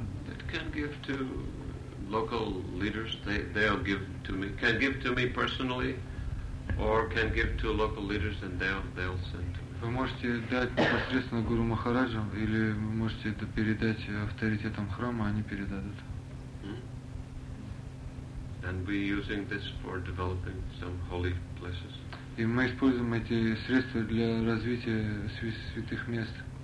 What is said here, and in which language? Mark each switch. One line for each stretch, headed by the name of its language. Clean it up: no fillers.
English: It can give to local leaders. They'll give to me. Can give to me personally, or can give to local leaders, and they'll send to me.
Russian: Вы можете дать непосредственно Гуру Махараджам, или вы можете это передать авторитетам храма, они передадут.
English: And we're using this for developing some holy places.
Russian: И мы используем эти средства для развития святых мест.